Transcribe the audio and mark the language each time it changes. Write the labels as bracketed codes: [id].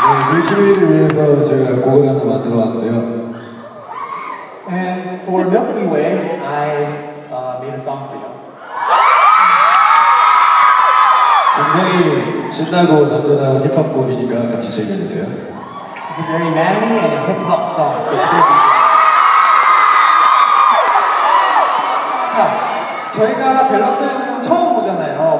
[ko] 밀키웨이를 위해서 제가 곡을 하나 만들어 왔는데요. [en] And for Milky Way, I made a song for you. [ko] 굉장히 신나고 남자다운 힙합 곡이니까 같이 즐겨주세요. [en] It's a very manly and hip-hop song. So [ko] 자, 저희가 델러스에서 처음 보잖아요.